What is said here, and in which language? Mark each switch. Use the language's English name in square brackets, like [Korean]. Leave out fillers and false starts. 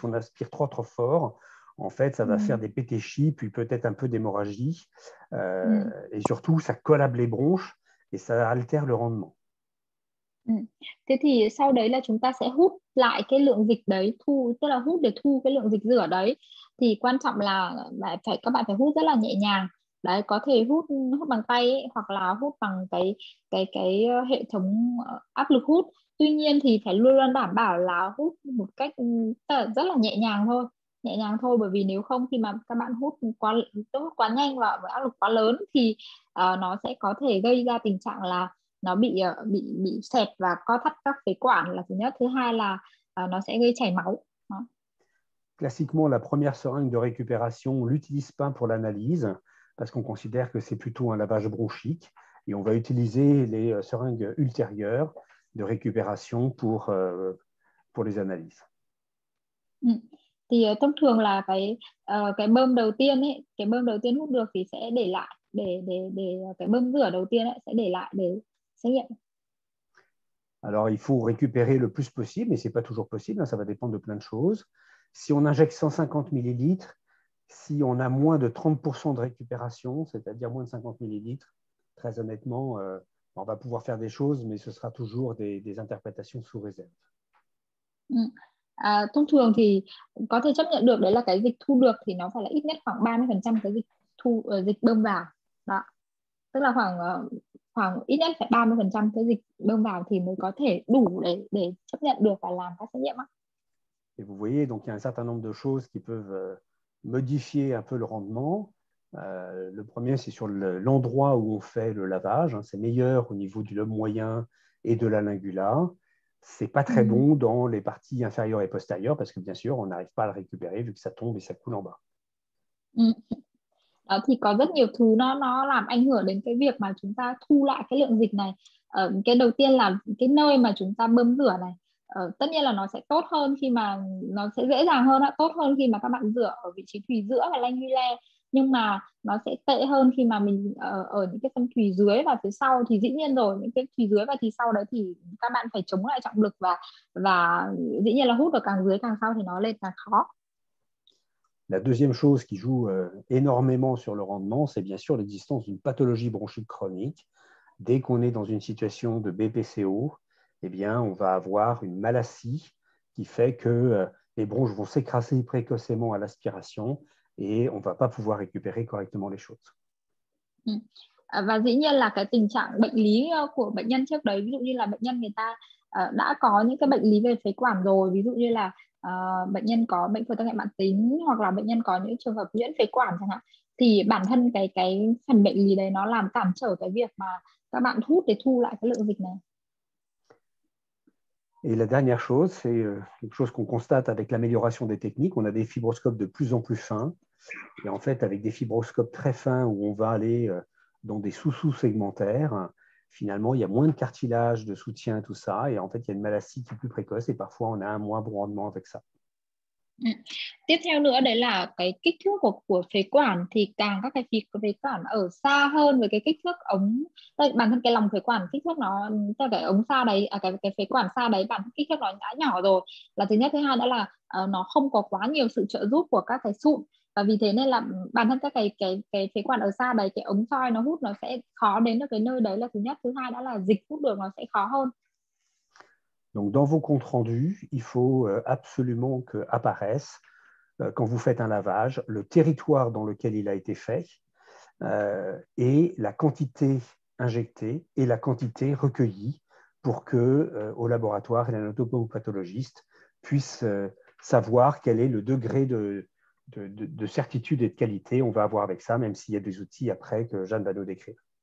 [French] Si on aspire trop, trop fort, en fait, ça va faire des pétéchies, puis peut-être un peu d'hémorragie. Et surtout, ça collabe les bronches et ça altère le rendement. [Vietnamese] Thế thì sau đấy là chúng ta sẽ hút lại cái lượng dịch đấy, tức là hút để thu cái lượng dịch rửa đấy. Thì quan trọng là các bạn phải hút rất là nhẹ nhàng. Đấy, có thể hút bằng tay ấy, hoặc là hút bằng cái hệ thống áp lực hút. Tuy nhiên thì phải luôn luôn đảm bảo là hút một cách rất là nhẹ nhàng thôi, bởi vì nếu không thì mà các bạn hút quá nhanh và với áp lực quá lớn thì nó sẽ có thể gây ra tình trạng là nó bị xẹp và co thắt các phế quản là thứ nhất. Thứ hai là nó sẽ gây chảy máu. [French] Classiquement, la première seringue de récupération, on l'utilise pas pour l'analyse parce qu'on considère que c'est plutôt un lavage bronchique, et on va utiliser les seringues ultérieures de récupération pour les analyses. [Vietnamese] Thì thông thường là cái bơm đầu tiên hút được thì sẽ để lại để cái bơm rửa đầu tiên ấy, sẽ để lại để xét nghiệm. [French] Alors il faut récupérer le plus possible, mais c'est pas toujours possible, ça va dépendre de plein de choses. Si on injecte 150 millilitres, si on a moins de 30% de récupération, c'est-à-dire moins de 50 millilitres, très honnêtement, on va pouvoir faire des choses, mais ce sera toujours des interprétations sous réserve. [Vietnamese] Thông thường thì có thể chấp nhận được, đấy là cái dịch thu được thì nó phải là ít nhất khoảng 30% cái dịch bơm vào. Đó. Tức là khoảng ít nhất phải 30% cái dịch bơm vào thì mới có thể đủ để chấp nhận được và làm các xét nghiệm. [French] Et vous voyez, donc il y a un certain nombre de choses qui peuvent modifier un peu le rendement. Le premier, c'est sur l'endroit où on fait le lavage. C'est meilleur au niveau du lobe moyen et de la lingula. C'est pas très bon dans les parties inférieures et postérieures parce que, bien sûr, on n'arrive pas à le récupérer vu que ça tombe et ça coule en bas. [Vietnamese] Đó, thì có rất nhiều thứ nó làm ảnh hưởng đến cái việc mà chúng ta thu lại cái lượng dịch này. Cái đầu tiên là cái nơi mà chúng ta bơm rửa này. Tất nhiên là nó sẽ tốt hơn khi mà nó sẽ dễ dàng hơn, tốt hơn khi mà các bạn rửa ở vị trí thùy giữa và lingula, nhưng mà nó sẽ tệ hơn khi mà mình ở những cái phân thùy dưới và phía sau. Thì dĩ nhiên rồi, những cái thùy dưới và thùy sau đấy thì các bạn phải chống lại trọng lực và dĩ nhiên là hút ở càng dưới càng sau thì nó lên càng khó. [French] La deuxième chose qui joue énormément sur le rendement, c'est bien sûr l'existence d'une pathologie bronchique chronique. Dès qu'on est dans une situation de BPCO, eh bien, on va avoir une malassie qui fait que les bronches vont s'écraser précocement à l'aspiration et on ne va pas pouvoir récupérer correctement les choses. [Vietnamese] Và dĩ nhiên là cái tình trạng bệnh lý của bệnh nhân trước đấy, ví dụ như là bệnh nhân người ta đã có những cái bệnh lý về phế quản rồi, ví dụ như là bệnh nhân có bệnh phổi tắc nghẽn mãn tính hoặc là bệnh nhân có những trường hợp nhuyễn phế quản chẳng hạn, thì bản thân cái phần bệnh lý đấy nó làm cản trở cái việc mà các bạn hút để thu lại cái lượng dịch này. [French] Et la dernière chose, c'est quelque chose qu'on constate avec l'amélioration des techniques. On a des fibroscopes de plus en plus fins. Et en fait, avec des fibroscopes très fins où on va aller dans des sous-sous-segmentaires, finalement, il y a moins de cartilage, de soutien, tout ça. Et en fait, il y a une malassie qui est plus précoce et parfois, on a un moins bon rendement avec ça. [Vietnamese] Tiếp theo nữa đấy là cái kích thước của phế quản, thì càng các cái phế quản ở xa hơn với cái kích thước ống, bản thân cái lòng phế quản kích thước nó, cái ống xa đấy, cái phế quản xa đấy, bản thân kích thước nó đã nhỏ rồi là thứ nhất. Thứ hai đó là nó không có quá nhiều sự trợ giúp của các cái sụn, Và vì thế nên là bản thân các cái phế quản ở xa đấy, cái ống soi nó hút nó sẽ khó đến được cái nơi đấy là thứ nhất, thứ hai đó là dịch hút được nó sẽ khó hơn. [French] Donc dans vos comptes rendus, il faut absolument que apparaisse quand vous faites un lavage le territoire dans lequel il a été fait et la quantité injectée et la quantité recueillie pour que au laboratoire et l'anatomopathologiste puisse savoir quel est le degré de certitude et de qualité on va avoir avec ça, même s'il y a des outils après que Jeanne va nous décrire.